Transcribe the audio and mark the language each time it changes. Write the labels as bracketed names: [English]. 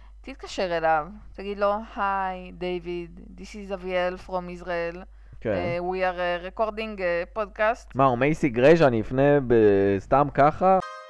[Hebrew] תתקשר אליו, תגיד לו, היי, דיוויד, [English] this is אביאל from Israel. We are recording podcast. [Hebrew] מה, מייסי גרי, שאני אפנה בסתם ככה?